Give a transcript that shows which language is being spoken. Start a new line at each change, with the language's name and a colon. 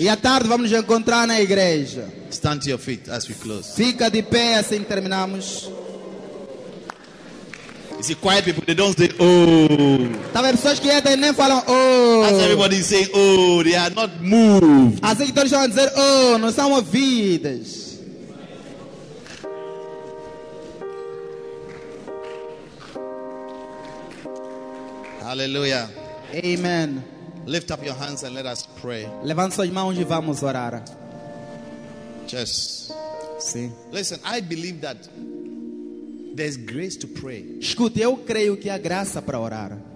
Portuguese: E à tarde vamos nos encontrar na igreja.
English: Stand to your feet as we close.
Portuguese: Fica de pé assim que terminamos.
English: You see, quiet people, they don't say, oh.
Portuguese: Tá vendo pessoas quietas, nem falam, oh.
English: As everybody say, oh, they are not moved.
Portuguese: Assim que todos estão a dizer, oh, não são ouvidas.
English: Hallelujah. Amen. Lift up your hands and let us pray.
Portuguese: Levante suas mãos e vamos orar.
English: Yes.
Portuguese: Sim.
English: Listen, I believe that there's grace to pray.
Portuguese: Escute, eu creio que há graça para orar.